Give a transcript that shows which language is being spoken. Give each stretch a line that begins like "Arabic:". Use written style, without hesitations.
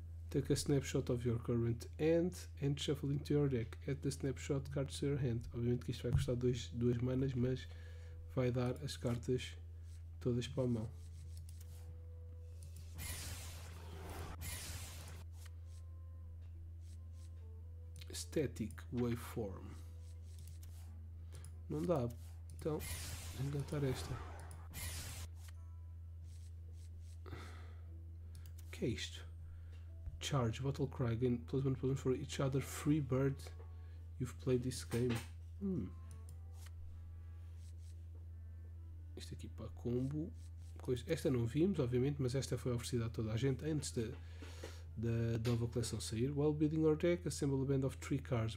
English: Take a snapshot of your current hand and shuffle into your deck. Add the snapshot card to your hand.
Portuguese: Obviamente que isto vai custar duas manas, mas vai dar as cartas todas para a mão. Static Waveform. Não dá. Então, vou encantar esta. Que é isto?
English: Charge Battle Cry gain +1/+1 for each other free bird you've played this game.
Portuguese: Isto aqui para combo. Esta não vimos, obviamente, mas esta foi oferecida a toda a gente antes da nova coleção sair.
English: While building our deck, assemble a band of 3 cards.